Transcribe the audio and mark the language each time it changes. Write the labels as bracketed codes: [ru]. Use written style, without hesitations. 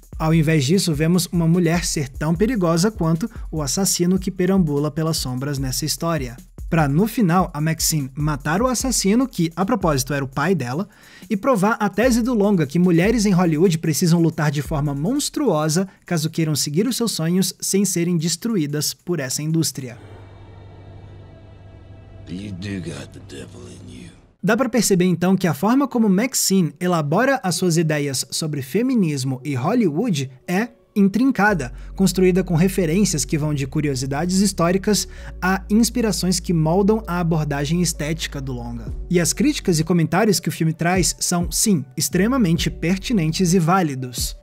[pt] Ao invés disso, vemos uma mulher ser tão perigosa quanto o assassino que perambula pelas sombras nessa história. para no final a Maxine matar o assassino, que a propósito era o pai dela, e provar a tese do longa que mulheres em Hollywood precisam lutar de forma monstruosa caso queiram seguir os seus sonhos sem serem destruídas por essa indústria. [en] You do got the devil in you. [pt] Dá pra perceber então que a forma como Maxine elabora as suas ideias sobre feminismo e Hollywood é intrincada, construída com referências que vão de curiosidades históricas a inspirações que moldam a abordagem estética do longa. E as críticas e comentários que o filme traz são, sim, extremamente pertinentes e válidos.